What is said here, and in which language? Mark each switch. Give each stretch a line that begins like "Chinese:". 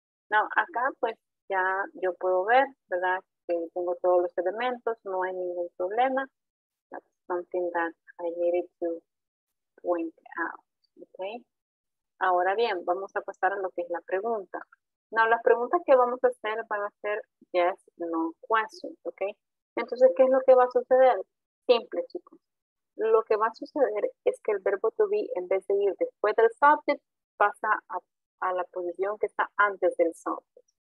English: Now,
Spanish: acá pues ya yo puedo ver, ¿verdad? Que tengo todos los elementos, no hay ningún problema.
English: That's something that I needed to point out. Ok.
Spanish: Ahora bien, vamos a pasar a lo que es la pregunta.
English: Now,
Spanish: las preguntas que vamos a hacer van a ser yes, no questions. Ok. Entonces, ¿qué es lo que va a suceder? Simple, chicos. Lo que va a suceder es que el verbo to be, en vez de ir después del subject, pasa a la posición que está antes del subject.